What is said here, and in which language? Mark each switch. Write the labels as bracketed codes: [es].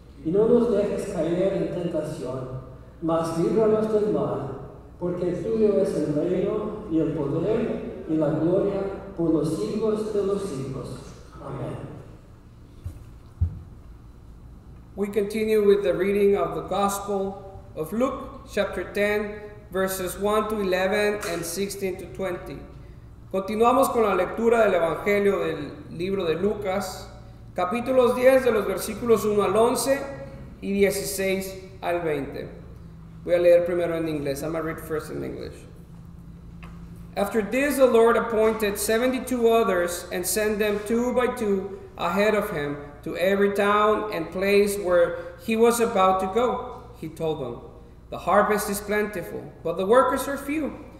[es] Y no nos dejes caer en tentación, mas líbranos del mal, porque tuyo es el reino y el poder y la gloria por los siglos de los siglos. Amén. [en] We continue with the reading of the Gospel of Luke, chapter 10, verses 1 to 11 and 16 to 20. [es] Continuamos con la lectura del Evangelio del libro de Lucas, capítulos 10 de los versículos 1 al 11 y 16 al 20. Voy a leer primero en inglés. [en] I'm going to read first in English. After this, the Lord appointed 72 others and sent them two by two ahead of him to every town and place where he was about to go. He told them, "The harvest is plentiful, but the workers are few.